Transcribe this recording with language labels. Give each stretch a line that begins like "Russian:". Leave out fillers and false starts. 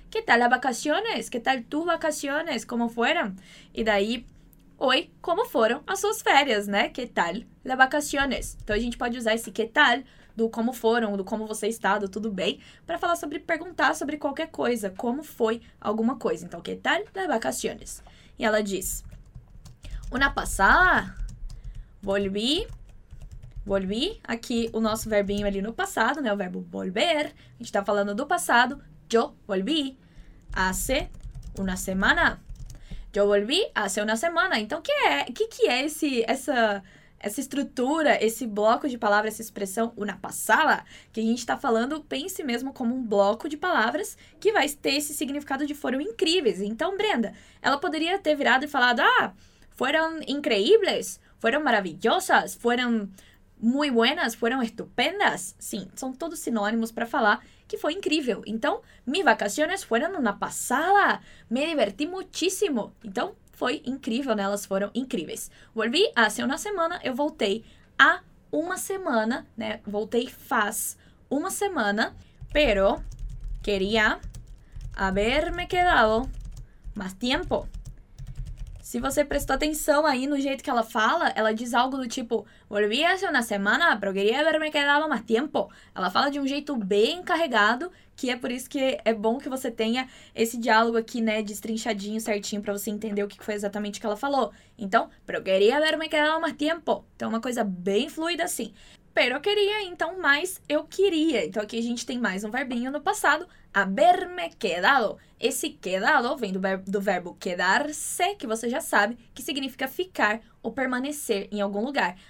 Spanish: ¿Qué tal las vacaciones? ¿Qué tal tus vacaciones? ¿Cómo fueron?
Portuguese: E daí, oi, como foram as suas férias, né?
Spanish: ¿Qué tal las vacaciones?
Portuguese: Então, a gente pode usar esse ¿qué tal? Do como foram, do como você está, do tudo bem, para falar sobre, perguntar sobre qualquer coisa, como foi alguma coisa.
Spanish: Então, ¿qué tal las vacaciones?
Portuguese: E ela diz,
Spanish: una pasada...
Portuguese: Volví, aqui o nosso verbinho ali no passado, né? O verbo volver, a gente tá falando do passado.
Spanish: Yo volví hace una semana. yo volví hace una semana.
Portuguese: Então, que é esse, essa estrutura, esse bloco de palavras, essa expressão,
Spanish: una pasada?
Portuguese: Que a gente está falando, pense mesmo como um bloco de palavras que vai ter esse significado de foram incríveis. Então, Brenda, ela poderia ter virado e falado, ah, foram increíbles, foram maravilhosas, foram
Spanish: muy buenas,
Portuguese: foram estupendas. Sim, são todos sinônimos para falar que foi incrível.
Spanish: Então, mis vacaciones fueron una pasada. Me divertí muchísimo.
Portuguese: Então, foi incrível, né? Elas foram incríveis.
Spanish: Volví hace una semana.
Portuguese: Eu voltei há uma semana, né? Voltei faz uma semana.
Spanish: Pero quería haberme quedado más tiempo.
Portuguese: Se você prestou atenção aí no jeito que ela fala, ela diz algo do tipo
Spanish: volví hace una semana, pero quería haberme quedado más tiempo.
Portuguese: Ela fala de um jeito bem carregado, que é por isso que é bom que você tenha esse diálogo aqui, né, destrinchadinho, certinho, pra você entender o que foi exatamente que ela falou.
Spanish: Então, pero quería haberme quedado más tiempo.
Portuguese: Então, uma coisa bem fluida assim.
Spanish: Pero quería,
Portuguese: então, mais eu queria. Então, aqui a gente tem mais um verbinho no passado.
Spanish: Haberme quedado.
Portuguese: Esse quedado vem do verbo quedarse, que você já sabe, que significa ficar ou permanecer em algum lugar.